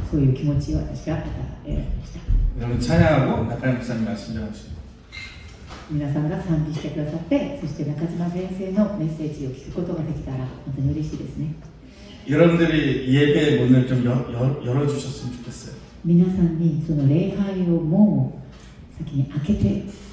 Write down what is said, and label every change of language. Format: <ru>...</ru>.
<ja>本当にその賛美の中で神様の恵みと祝福が溢れていたので、そういう気持ちを私が得ました。</ja> <ko>찬양하고 나카야 목사님 말씀하시죠.</ko> <ja>皆さんが賛美してくださって、そして中島先生のメッセージを聞くことができたら本当に嬉しいですね。</ja> <ko>여러분들이 예배 문을 좀 열어 주셨으면 좋겠어요.</ko> <ja>皆さんにその礼拝をもう先に開けて。</ja>